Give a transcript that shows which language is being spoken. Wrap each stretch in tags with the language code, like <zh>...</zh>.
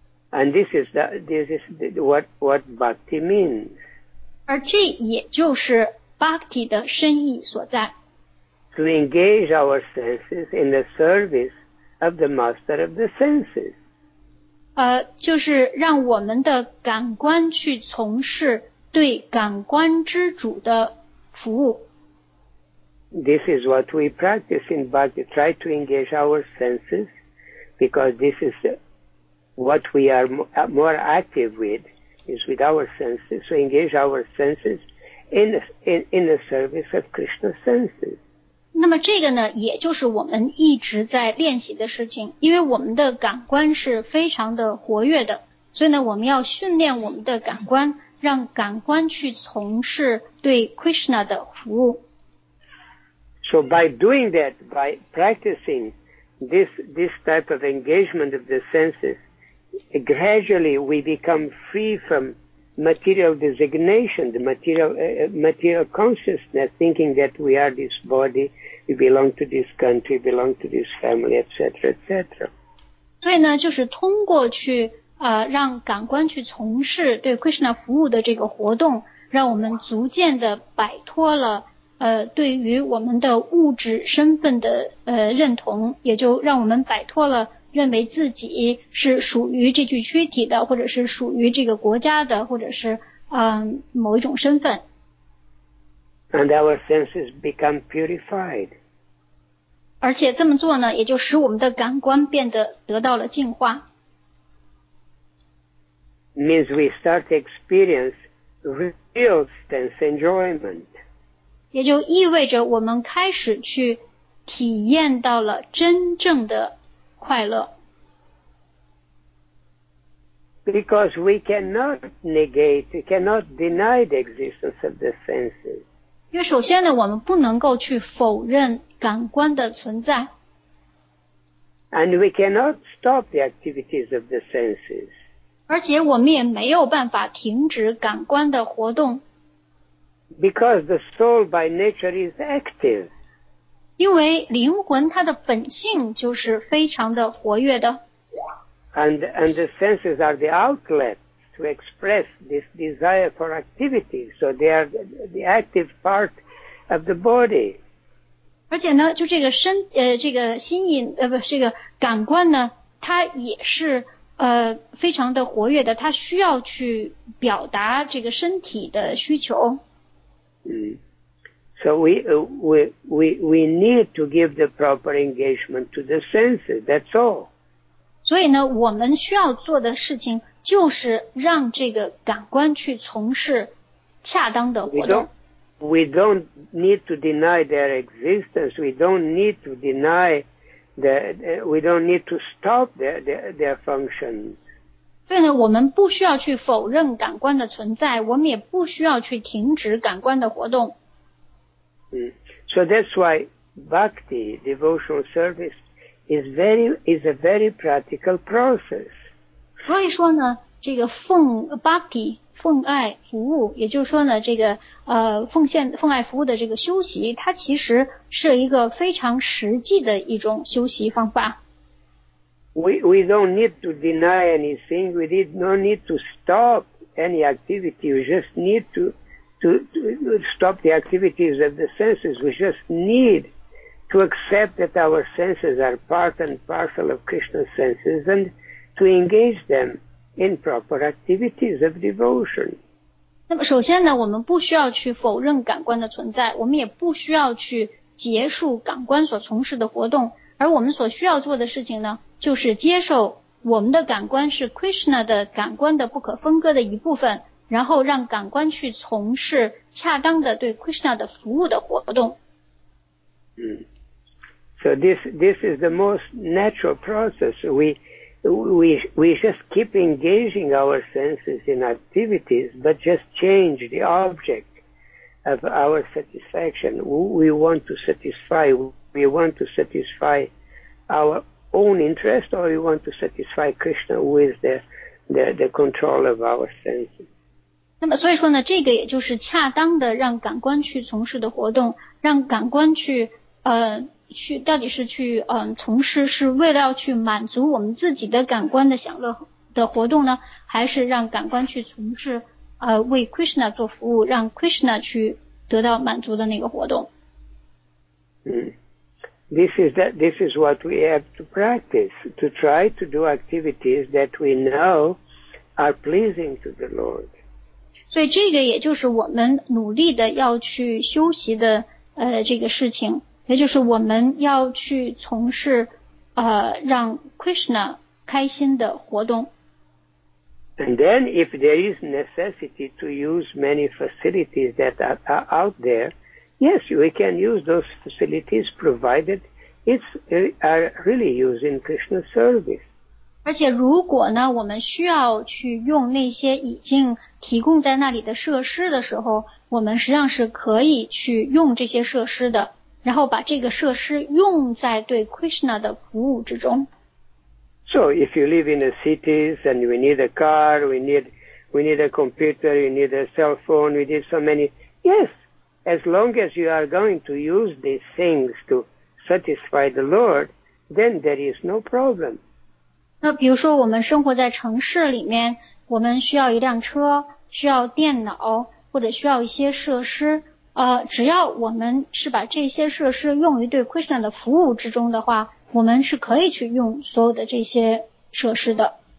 <en>And this is what bhakti means.</en> <zh>而这也就是 bhakti 的深意所在。</zh> <en>To engage our senses in the service of the master of the senses.</en> <zh>就是让我们的感官去从事对感官之主的服务。</zh> <en>This is what we practice in bhakti, try to engage our senses, because this is what we are more active with, is with our senses. So engage our senses in the service of Krishna's senses.</en> <zh>那么这个呢，也就是我们一直在练习的事情，因为我们的感官是非常的活跃的，所以呢，我们要训练我们的感官，让感官去从事对 Krishna 的服务。</zh> <en>So by doing that, by practicing this type of engagement of the senses, gradually we become free from material designation, the material consciousness, thinking that we are this body, we belong to this country, belong to this family, etc., etc.</en> <zh>所以呢，就是通过去让感官去从事对 Krishna 服务的这个活动，让我们逐渐的摆脱了对于我们的物质身份的认同，也就让我们摆脱了。认为自己是属于这具躯体的，或者是属于这个国家的，或者是某一种身份。</zh> <en>And our senses become purified.</en> <zh>而且这么做呢，也就使我们的感官变得得到了净化。</zh> <en>Means we start to experience real sense enjoyment.</en> <zh>也就意味着我们开始去体验到了真正的。</zh> <en>Because we cannot negate, we cannot deny the existence of the senses.</en> <zh>因为首先呢，我们不能够去否认感官的存在。</zh> <en>And we cannot stop the activities of the senses.</en> <zh>而且我们也没有办法停止感官的活动。</zh> <en>Because the soul by nature is active.</en> <zh>因为灵魂它的本性就是非常的活跃的。</zh> <en>And the senses are the outlet to express this desire for activity, so they are the active part of the body.</en> <zh>而且呢，就这个身这个心瘾这个感官呢，它也是非常的活跃的，它需要去表达这个身体的需求。嗯。</zh> <en>So we need to give the proper engagement to the senses, that's all.</en> <zh>所以呢，我们需要做的事情就是让这个感官去从事恰当的活动。</zh> <en>We don't need to deny their existence, we don't need to stop their functions.</en> <zh>所以呢，我们不需要去否认感官的存在，我们也不需要去停止感官的活动。</zh> <en>So that's why bhakti, devotional service, is a very practical process.</en> <zh>所以说呢，这个奉 bhakti, 奉爱服务，也就是说呢，这个奉献奉爱服务的这个修习，它其实是一个非常实际的一种修习方法。</zh> <en>We don't need to deny anything. We need no need to stop any activity. We just need to stop the activities of the senses. We just need to accept that our senses are part and parcel of Krishna's senses and to engage them in proper activities of devotion.</en> <zh>那么首先呢，我们不需要去否认感官的存在，我们也不需要去结束感官所从事的活动，而我们所需要做的事情呢，就是接受我们的感官是 Krishna 的感官的不可分割的一部分。然后让感官去从事恰当的对 Krishna 的服务的活动。</zh> <en>So this is the most natural process. We just keep engaging our senses in activities, but just change the object of our satisfaction. We want to satisfy our own interest, or we want to satisfy Krishna with the control of our senses.</en> <zh>那么所以说呢，这个也就是恰当的让感官去从事的活动，让感官去到底是去从事是为了要去满足我们自己的感官的享乐的活动呢，还是让感官去从事为 Krishna 做服务，让 Krishna 去得到满足的那个活动。</zh> <en>This is what we have to practice, to try to do activities that we know are pleasing to the Lord.</en> <zh>所以这个也就是我们努力的要去修习的这个事情，也就是我们要去从事让 Krishna 开心的活动。</zh> <en>And then if there is necessity to use many facilities that are out there, yes, we can use those facilities provided it's are really used in Krishna service.</en> <zh>而且如果呢，我们需要去用那些已经提供在那里的设施的时候，我们实际上是可以去用这些设施的，然后把这个设施用在对 Krishna 的服务之中。</zh> <en>So if you live in the cities and we need a car, we need, we need a computer, you need a cell phone, we need so many. Yes, as long as you are going to use these things to satisfy the Lord, then there is no problem.</en> <zh>那比如说我们生活在城市里面，我们需要一辆车，需要电脑，或者需要一些设施。只要我们是把这些设施用于对 Krishna 的服务之中的话，我们是可以去用所有的这些设施的。</zh>